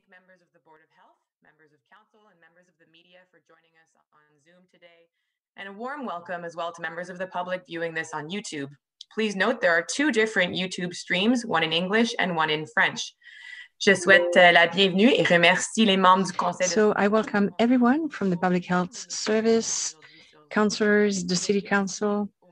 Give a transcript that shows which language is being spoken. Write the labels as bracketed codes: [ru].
[en] Thank members of the Board of Health, members of Council, and members of the media for joining us on Zoom today. And a warm welcome as well to members of the public viewing this on YouTube. Please note there are two different YouTube streams, one in English and one in French. [fr] Je souhaite la bienvenue et remercie les membres du conseil. [en] So I welcome everyone from the Public Health Service, councillors, the City Council.